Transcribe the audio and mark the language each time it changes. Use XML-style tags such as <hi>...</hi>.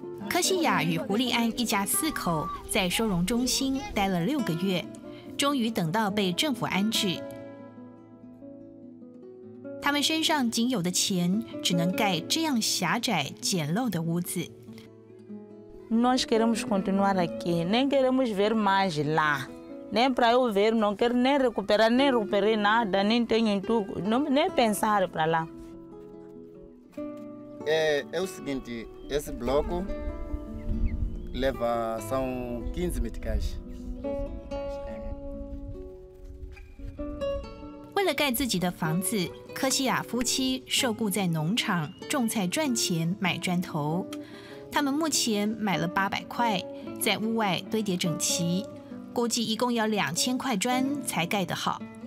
<zh>科西亚与胡利安一家四口在收容中心待了六个月，终于等到被政府安置。他们身上仅有的钱只能盖这样狭窄简陋的屋子。</zh> <pt>Nós queremos continuar aqui, nem queremos ver mais lá, nem para eu ver, não quero nem recuperar, nem recuperar nada, nem tenho tudo, nem pensar para lá. É o seguinte, esse bloco leva, são 15 meticais.</pt> <zh>为了盖自己的房子，科西亚夫妻受雇在农场种菜赚钱买砖头。他们目前买了800块，在屋外堆叠整齐，估计一共要2000块砖才盖得好。</zh>